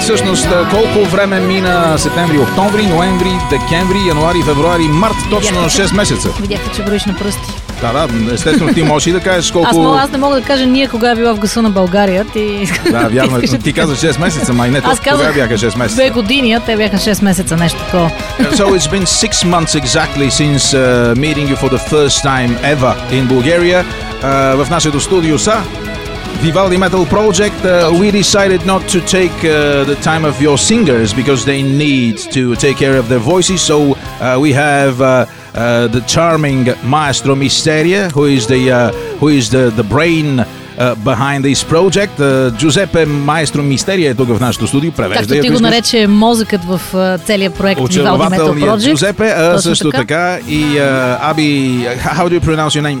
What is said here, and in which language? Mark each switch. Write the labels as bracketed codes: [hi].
[bg] Всъщност колко време мина септември, октомври, ноември, декември, януари, февруари, март, точно 6 месеца. Видяхте, че броиш на пръсти. Да, да, естествено, ти можеш и да кажеш колко. Аз не мога да кажа ние кога е била в гъса на България. Ти... Да, вярно, ти каза 6 месеца, май не, казах, кога бяха 6 месеца. 2 години, а те бяха 6 месеца, нещо такова. [en] So it's been 6 months exactly since meeting you for the first time ever in Bulgaria. [bg] В нашето студио са Vivaldi Metal Project. [en] We decided not to take the time of your singers because they need to take care of their voices. So we have the charming Maestro Misteria, who is the brain behind this project. [bg] Giuseppe Maestro Misteria е тук в нашото студио. Превежда, както ти го нарече, мозъкът в целия проект Vivaldi Metal Project. Очарователният Giuseppe, също така. [en] И Аби, how do you pronounce your name?